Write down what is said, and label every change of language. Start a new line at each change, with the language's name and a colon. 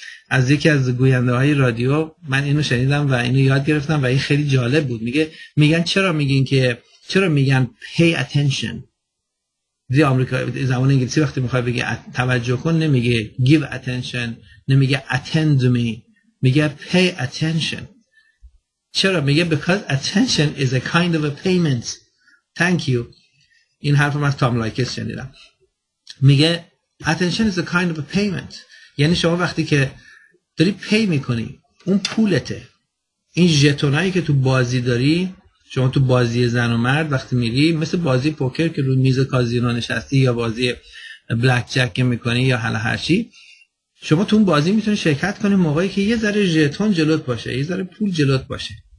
Persian: از یکی از گوینده های رادیو من اینو شنیدم و اینو یاد گرفتم و این خیلی جالب بود. میگن چرا میگن pay attention؟ دی آمریکا زبان انگلیسی وقتی میخوای بگی توجه کن نمیگه
English: give attention،
Persian: نمیگه
English: attend me،
Persian: میگه
English: pay attention.
Persian: چرا میگه؟
English: because attention is a kind of a payment. Thank you.
Persian: این حرف من از تام لایکس شنیدم. میگه
English: attention is a kind of a payment.
Persian: یعنی شما وقتی که داری pay میکنی، اون پولته. این ژتونایی که تو بازی داری، شما تو بازی زن و مرد وقتی میری، مثل بازی پوکر که روی میز کازینو نشستی، یا بازی بلک جک میکنی، یا حالا هرچی، شما تو اون بازی میتونی شرکت کنی موقعی که یه ذره ژتون جلوت باشه، یه ذره پول جلوت باشه.